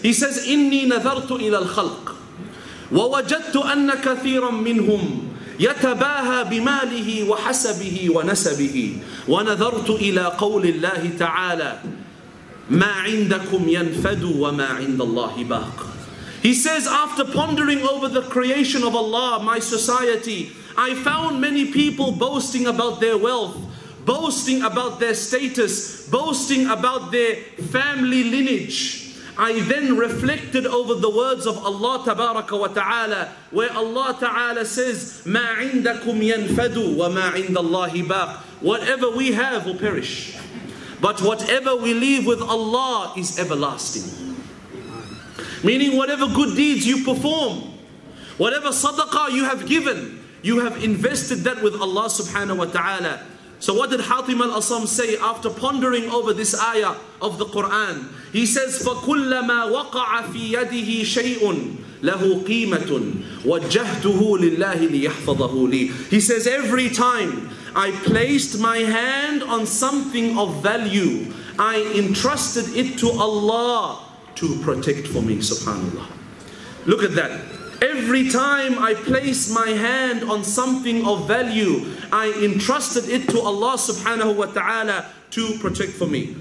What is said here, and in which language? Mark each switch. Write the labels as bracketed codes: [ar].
[en] He says, [ar] inni nadhartu ila al-khalq wa wajadtu anna kathiran minhum يتباهى بماله وحسبه ونسبه ونذرت إلى قول الله تعالى ما عندكم ينفد وما عند الله باق. [en] He says, after pondering over the creation of Allah, my society, I found many people boasting about their wealth, boasting about their status, boasting about their family lineage. I then reflected over the words of Allah Tabaraka wa Ta'ala, where Allah Ta'ala says, [ar] مَا عِنْدَكُمْ يَنْفَدُ وَمَا عِنْدَ اللَّهِ بَاقٍ. [en] Whatever we have will perish, but whatever we leave with Allah is everlasting. Meaning whatever good deeds you perform, whatever sadaqah you have given, you have invested that with Allah Subhanahu wa Ta'ala. So what did Hatim al-Asam say after pondering over this ayah of the Quran? He says, [ar] فَكُلَّمَا وَقَعَ فِي يَدِهِ شَيْءٌ لَهُ قِيمَةٌ وَجَّهْتُهُ لِلَّهِ لِيَحْفَظَهُ لِي. [en] He says, every time I placed my hand on something of value, I entrusted it to Allah to protect for me, subhanAllah. Look at that. Every time I place my hand on something of value, I entrusted it to Allah subhanahu wa ta'ala to protect for me.